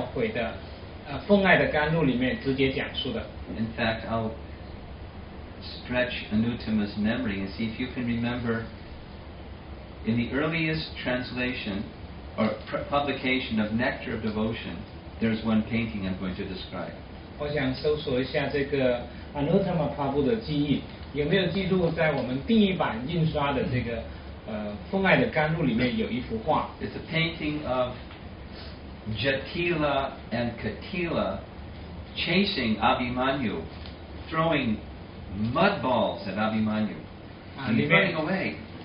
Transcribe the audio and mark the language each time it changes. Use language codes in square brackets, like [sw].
[zh] 其中一个是在教诲的奉爱的甘露里面直接讲述的。 [en] In fact, I'll stretch Anuttama's memory and see if you can remember in the earliest translation or publication of Nectar of Devotion, there's one painting I'm going to describe. [zh] 我想搜索一下这个Anuttama Prabhu的记忆，有没有记录在我们第一版印刷的这个奉爱的甘露里面有一幅画？ [en] It's a painting of Jatila and Katila chasing Abhimanyu, throwing mud balls at Abhimanyu, running away.